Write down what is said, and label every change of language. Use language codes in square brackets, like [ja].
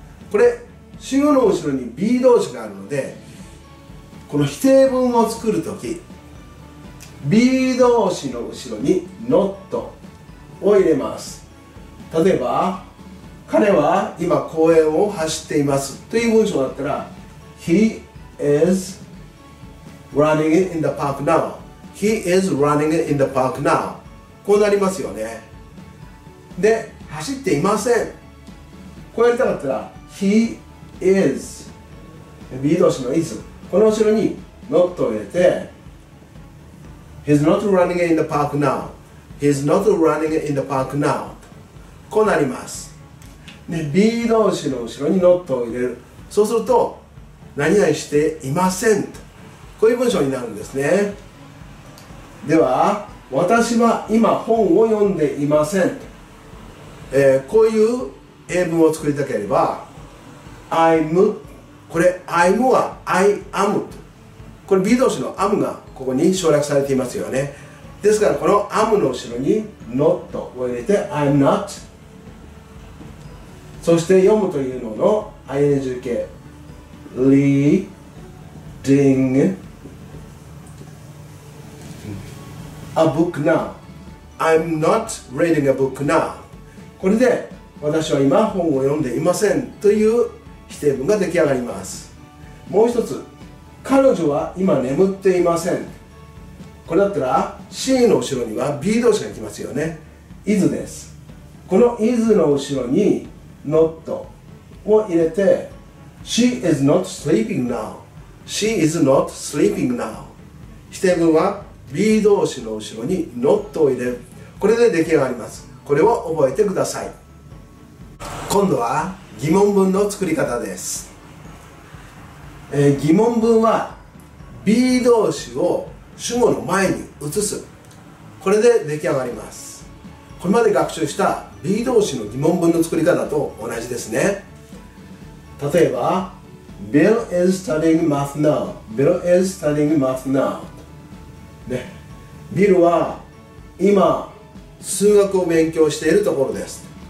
[ja] これ主語の後ろに B 動詞があるので、この否定文を作るとき B 動詞の後ろに NOT を入れます。例えば彼は今公園を走っていますという文章だったら [en] He is running in the park now. He is running in the park now. [ja] こうなりますよね。で、走っていません。 [en] こうやりたかったら He is B 動詞の is、 [ja] この後ろに [en] not [ja] を入れて [en] He's not running in the park now. He's not running in the park now. [ja] こうなります。で、B 動詞の後ろに not を入れる。そうすると、何々していませんと。こういう文章になるんですね。では、私は今本を読んでいませんと。こういう英文を作りたければ、I'm、これ、I'm は [en] I am [ja] と。これ B 動詞の am がここに省略されていますよね。ですから、この am の後ろに not を入れて、 [en] I'm not。 [ja] そして読むというのの ING 形 [en] Reading a book now. I'm not reading a book now. [ja] これで私は今本を読んでいませんという否定文が出来上がります。もう一つ、彼女は今眠っていません。これだったら C の後ろには B 動詞が来ますよね。 is です。この is の後ろにNot を入れて [en] She is not sleeping now. She is not sleeping now. [ja] 否定文は B 動詞の後ろに Not を入れる。これで出来上がります。これを覚えてください。今度は疑問文の作り方です。疑問文は B 動詞を主語の前に移す。これで出来上がります。これまで学習した B 動詞の疑問文の作り方と同じですね。例えば [en] Bill is studying math now. Bill is studying math now. [ja] ね、ビルは今数学を勉強しているところです。